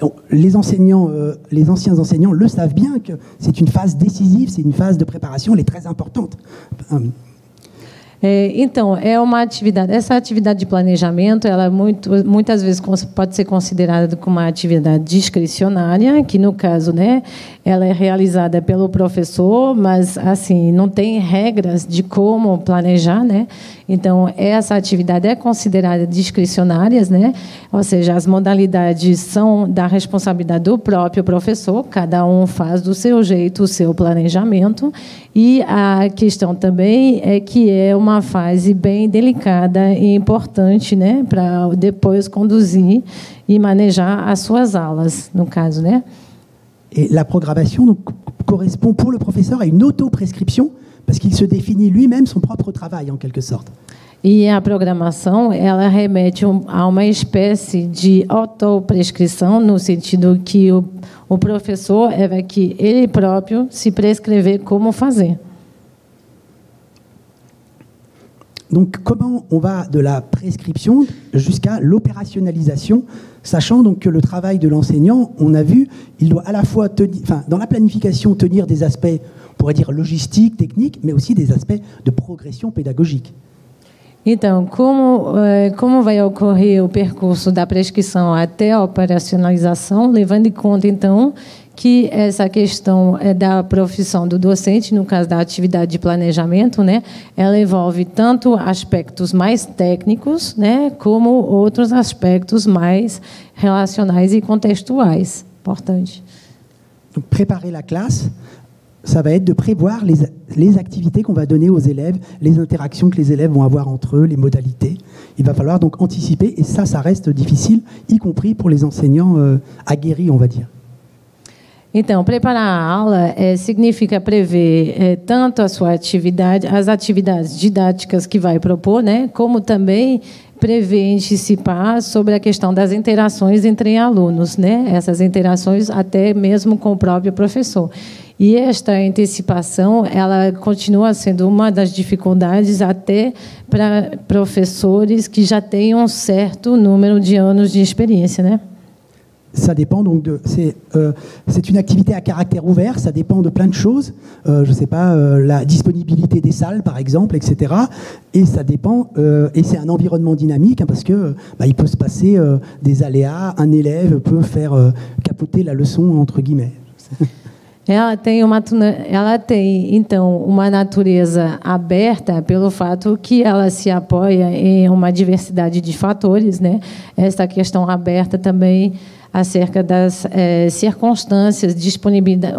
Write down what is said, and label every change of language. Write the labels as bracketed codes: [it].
[fr] Les anciens enseignants le savent bien que c'est une phase décisive, c'est une phase de préparation, elle est très importante. [pt] Então, é uma atividade. Essa atividade de planejamento, ela muitas vezes pode ser considerada como uma atividade discricionária, que no caso, né, ela é realizada pelo professor, mas assim não tem regras de como planejar, né? Então, essa atividade é considerada discricionária, né? Ou seja, as modalidades são da responsabilidade do próprio professor. Cada um faz do seu jeito o seu planejamento. E a questão também é que é uma fase bem delicada e importante, né, para depois conduzir e manejar as suas aulas, no caso, né? E a programação [fr] correspond pour le professeur à une auto-prescription, parce qu'il se définit lui-même son propre travail, en quelque sorte. [pt] E a programação, ela remete a uma espécie de auto-prescrição, no sentido que o professor é que ele próprio se prescrever como fazer. [fr] Donc comment on va de la prescription jusqu'à l'opérationnalisation, sachant donc que le travail de l'enseignant, on a vu, il doit à la fois dans la planification tenir des aspects, on pourrait dire logistiques, techniques, mais aussi des aspects de progression pédagogique. [pt] Então, como vai ocorrer o percurso da prescrição até a operacionalização, levando em conta então que essa questão é da profissão do docente, no caso da atividade de planejamento, né? Ela envolve tanto aspectos mais técnicos, né, como outros aspectos mais relacionais e contextuais. Importante. [fr] Donc, préparer la classe, ça va être de prévoir les activités qu'on va donner aux élèves, les interactions que les élèves vont avoir entre eux, les modalités. Il va falloir donc anticiper, et ça reste difficile, y compris pour les enseignants aguerris, on va dire. [pt] Então, preparar a aula significa prever tanto a sua atividade, as atividades didáticas que vai propor, né, como também prever e antecipar sobre a questão das interações entre alunos, né, essas interações até mesmo com o próprio professor. E esta antecipação, ela continua sendo uma das dificuldades até para professores que já têm um certo número de anos de experiência, né? [fr] Ça dépend donc de. C'est une activité à caractère ouvert, ça dépend de plein de choses. Je ne sais pas, la disponibilité des salles, par exemple, etc. Et ça dépend. Et c'est un environnement dynamique, hein, parce qu'il peut se passer des aléas. Un élève peut faire capoter la leçon, entre guillemets. [pt] Ela tem uma então uma natureza aberta pelo fato que ela se apoia em uma diversidade de fatores, né? Esta questão aberta também acerca das circunstâncias, disponibilidade.